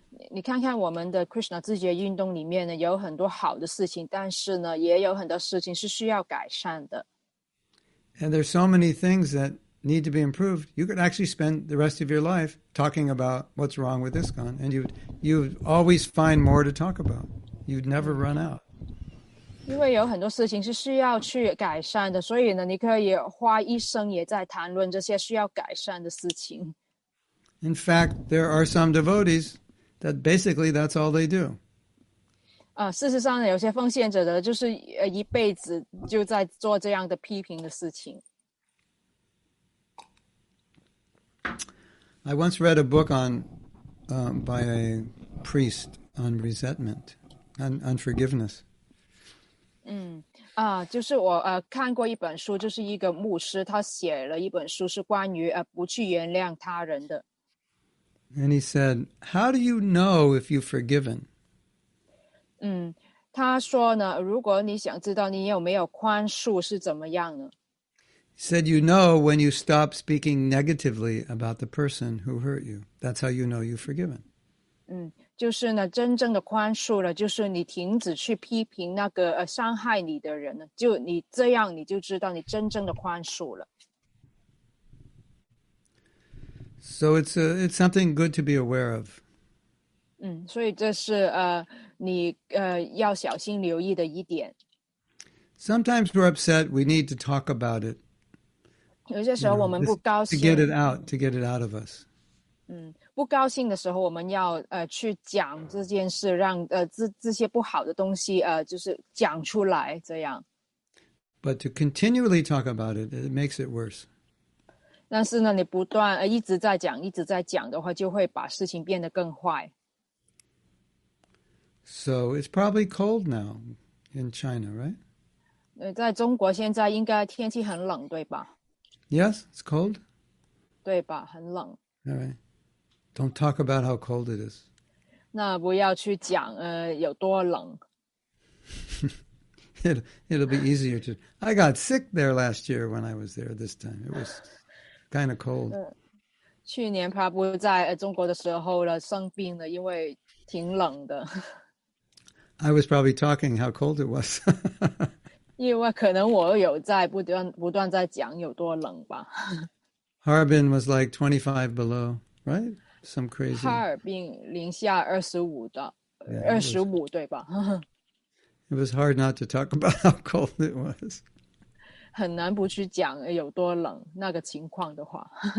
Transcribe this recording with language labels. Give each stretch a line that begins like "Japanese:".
Chinese: 你看看我们的Krishna自觉运动里面呢，有很多好的事情，但是呢，也有很多事情是需要改善的。
English: And there's so many things that need to be improved. You could actually spend the rest of your life talking about what's wrong with ISKCON, and you'd always find more to talk about. You'd never run out.
Chinese: 因为有很多事情是需要去改善的，所以呢，你可以花一生也在谈论这些需要改善的事情。
English: In fact, there are some devotees that basically that's all they do.
Chinese: 事实上呢，有些奉献者的就是一辈子就在做这样的批评的事情。
English: I once read a book on, by a priest on resentment and unforgiveness.
Chinese: 就是我看过一本书，就是一个牧师，他写了一本书，是关于不去原谅他人的。
English: And he said, "How do you know if you've forgiven?"
Chinese: 他说呢，如果你想知道你有没有宽恕是怎么样呢？
English: He said, "You know when you stop speaking negatively about the person who hurt you. That's how you know you've forgiven."
Chinese: 就是呢，真正的宽恕了，就是你停止去批评那个伤害你的人了，就你这样，你就知道你真正的宽恕了。
English: So it's something good to be aware of.
Chinese: 所以这是你要小心留意的一点。
English: Sometimes we're upset, we need to talk about it.
Chinese: 有些时候我们不高兴。
English: To get it out, to get it out of us.
Chinese: 不高兴的时候我们要去讲这件事让这些不好的东西就是讲出来这样。
English: But to continually talk about it, it makes it worse.
Chinese: 但是呢你不断一直在讲一直在讲的话就会把事情变得更坏。
English: So it's probably cold now in China, right?
Chinese: 在中国现在应该天气很冷对吧
English: ?Yes, it's cold.
Chinese: 对吧很冷。
English: All right. Don't talk about how cold it is.
Chinese: 那不要去讲有多冷。
English: It'll be easier to... I got sick there last year when I was there this time. It was kind of cold.
Chinese: 去年Prabhu在中国的时候了生病了因为挺冷的。
English: I was probably talking how cold it was.
Chinese: 因为可能我有在不断在讲有多冷吧。
English: Harbin was like 25 below, right? Some crazy.
Chinese: 哈尔滨零下25对吧
English: ？It was hard not to talk about how cold it was.
Chinese: 很难不去讲有多冷那个情况的话。